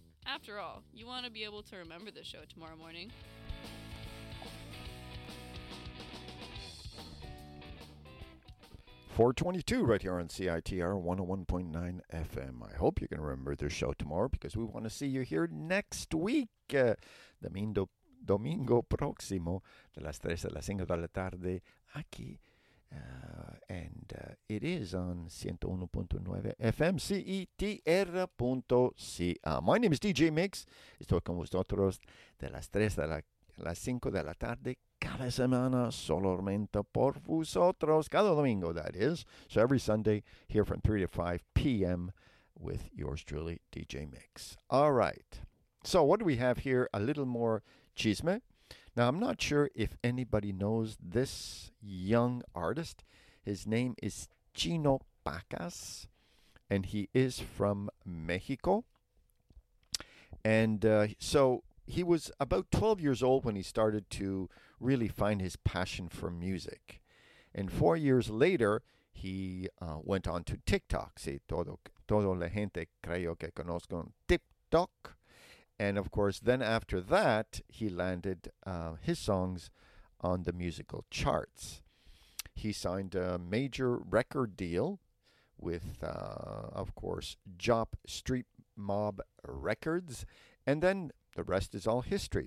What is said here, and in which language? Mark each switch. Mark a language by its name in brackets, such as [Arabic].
[English] After all, you want to be able to remember the show tomorrow morning. .422 right here on CITR 101.9 FM. I hope you can remember the show tomorrow because we want to see you here next week. [Spanish] Domingo próximo de las 3 a las 5 de la tarde aquí. [English] It is on 101.9 FM, CETR.ca. My name is DJ Mix. [Spanish] Estoy con vosotros de las 3 a las 5 de la tarde cada semana, solamente por vosotros, cada domingo, [English] that is. So every Sunday, here from 3 to 5 p.m. with yours truly, DJ Mix. All right. So what do we have here? A little more chisme. Now, I'm not sure if anybody knows this young artist. His name is Chino Pacas, and he is from Mexico. And so he was about 12 years old when he started to really find his passion for music. And 4 years later, he went on to TikTok. [Spanish] Sí, todo la gente creo que conozco TikTok. [English] And of course, then after that, he landed his songs on the musical charts. He signed a major record deal with, of course, Jop Street Mob Records. And then the rest is all history.